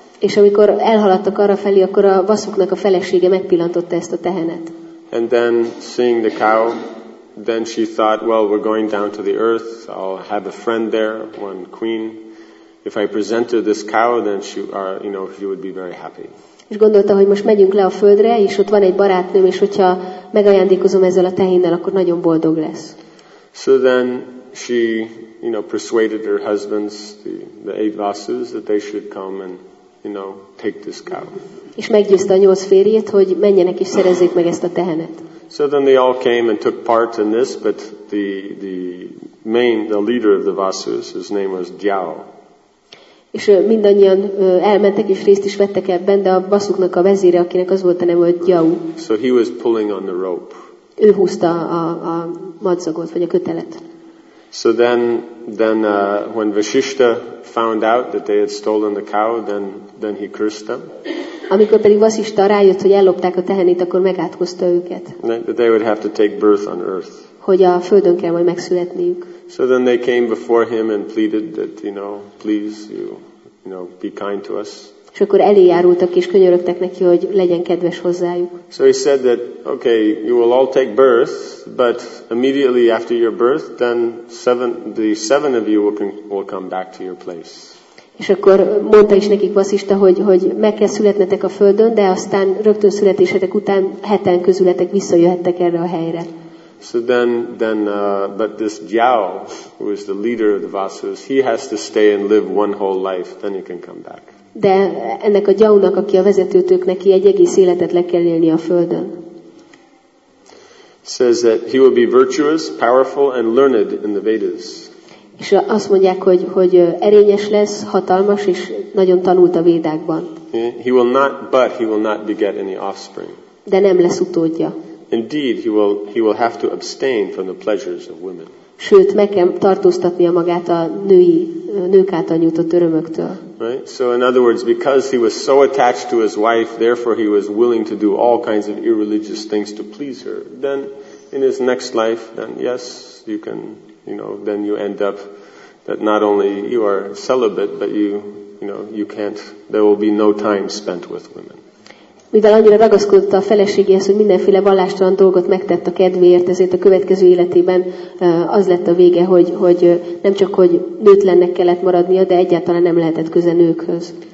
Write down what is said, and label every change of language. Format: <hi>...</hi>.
<hu>És amikor elhaladtak arra felé, akkor a Vasuknak a felesége megpillantotta ezt a tehenet.</hu> <en>And then seeing the cow, then she thought, well, we're going down to the earth. I'll have a friend there, one queen. If I present her this cow, then she would be very happy.</en> <hu>És gondolta, hogy most megyünk le a földre, és ott van egy barátnőm, és hogyha megajándékozom ezzel a tehénnel, akkor nagyon boldog lesz.</hu> <en>So then she, you know, persuaded her husbands, the eight vasus, that they should come and, you know, take this cow.</en> <hu>És meggyőzte a nyolc férjét, hogy menjenek és szerezzék meg ezt a tehenet.</hu> <en>So then they all came and took part in this, but the main, the leader of the Vasus, his name was Diao.</en> <hu>És mindannyian elmentek és részt is vettek ebben, de a Vasuknak a vezére, akinek az volt a neve, hogy Diao.</hu> <en>So he was pulling on the rope.</en> <hu>Ő húzta a madzagot vagy a kötelet.</hu> <en>So then when Vasishta found out that they had stolen the cow, then he cursed them.</en> <hu>Amikor pedig Vasishta rájött, hogy ellopták a tehenét, akkor megátkozta őket.</hu> <en>That they would have to take birth on earth.</en> <hu>Hogy a földön kell majd megszületniük.</hu> <en>So then they came before him and pleaded that, you know, please, you know, be kind to us.</en> <hu>És akkor elé járultak és könyörögtek neki, hogy legyen kedves hozzájuk.</hu> <en>So he said that, okay, you will all take birth, but immediately after your birth, then the seven of you will come back to your place.</en> <hu>És akkor mondta is nekik Vasishta, hogy meg kell születnetek a földön, de aztán rögtön születésetek után heten közületek visszajöhettek erre a helyre.</hu> <en>So then, but this Diao, who is the leader of the Vasus, he has to stay and live one whole life, then he can come back.</en> <hu>De ennek a Diaónak, aki a vezetőtök, neki egy egész életet le kell élni a földön.</hu> <en>Says that he will be virtuous, powerful and learned in the Vedas.</en> <hu>És azt mondják, hogy erényes lesz, hatalmas és nagyon tanult a Védákban.</hu> <en>He will not beget any offspring.</en> <hu>De nem lesz utódja.</hu> <en>Indeed, he will have to abstain from the pleasures of women.</en> <hu>Sőt, meg kell tartóztatnia magát a nők által nyújtott örömöktől.</hu> <en>Right? So in other words, because he was so attached to his wife, therefore he was willing to do all kinds of irreligious things to please her. Then in his next life, then yes, you can, you know, then you end up that not only you are celibate, but you can't, there will be no time spent with women.</en> <hu>Mivel annyira ragaszkodott a feleségéhez, hogy mindenféle vallástalan dolgot megtett a kedvéért, ezért a következő életében az lett a vége, hogy nem csak hogy nőtlennek kellett maradnia, de egyáltalán nem lehetett köze nőkhöz.</hu>